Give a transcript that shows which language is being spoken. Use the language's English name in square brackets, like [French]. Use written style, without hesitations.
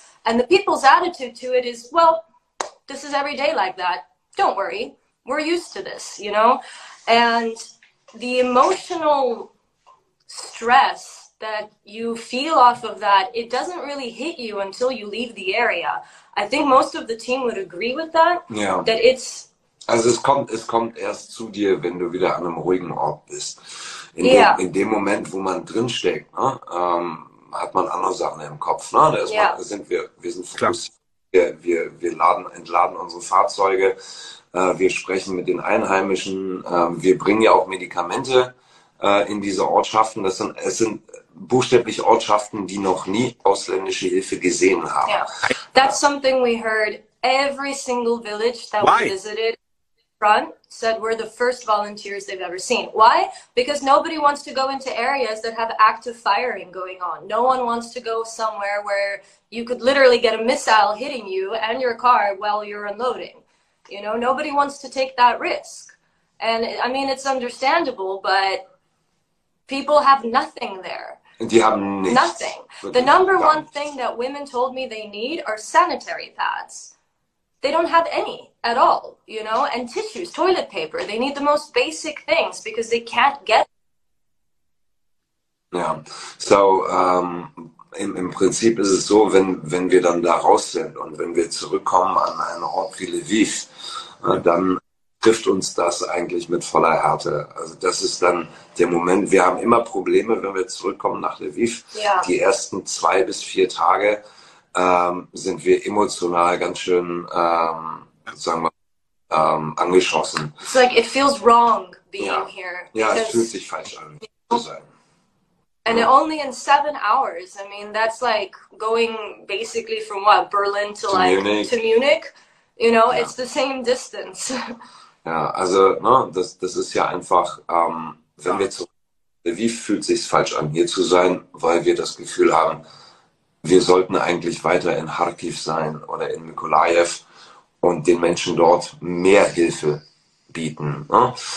[English] And the people's attitude to it is, well, this is every day like that. Don't worry. We're used to this, you know? And the emotional stress that you feel off of that, it doesn't really hit you until you leave the area. I think most of the team would agree with that. Yeah. That it's... [German] Also es kommt erst zu dir, wenn du wieder an einem ruhigen Ort bist. In dem Moment, wo man drinsteckt, ne, hat man andere Sachen im Kopf. Ne? Wir sind fokussiert, wir entladen unsere Fahrzeuge, wir sprechen mit den Einheimischen, wir bringen ja auch Medikamente in diese Ortschaften. Es sind buchstäblich Ortschaften, die noch nie ausländische Hilfe gesehen haben. [English] Yeah. That's something we heard every single village that we visited. Said we're the first volunteers they've ever seen. Why? Because nobody wants to go into areas that have active firing going on. No one wants to go somewhere where you could literally get a missile hitting you and your car while you're unloading. You know, nobody wants to take that risk. And I mean, it's understandable, but people have nothing there. [German] Die haben nichts. [English] Nothing. The number one thing that women told me they need are sanitary pads. They don't have any at all, you know, and tissues, toilet paper. They need the most basic things because they can't get. Yeah. [German] So im Prinzip ist es so, wenn wir dann da raus sind und wenn wir zurückkommen an einen Ort wie Lviv, dann trifft uns das eigentlich mit voller Härte. Also das ist dann der Moment. Wir haben immer Probleme, wenn wir zurückkommen nach Lviv. [English] Yeah. [German] Die ersten 2 bis 4 Tage sind wir emotional ganz schön, sagen wir, angeschossen. [English] It's like it feels wrong being [German] Ja, [English] here [German] es fühlt sich falsch an zu sein. [English] and only in 7 hours. I mean, that's like going basically from what, Berlin to [German] Zu [English] like to Munich. Munich. You know, [German] Ja. [English] it's the same distance. [German] Ja, also, ne, das ist ja einfach, wenn wir zurück, wie fühlt sich's falsch an, hier zu sein, weil wir das Gefühl haben, wir sollten eigentlich weiter in Kharkiv sein oder in Mykolaiv und den Menschen dort mehr Hilfe bieten. Ne?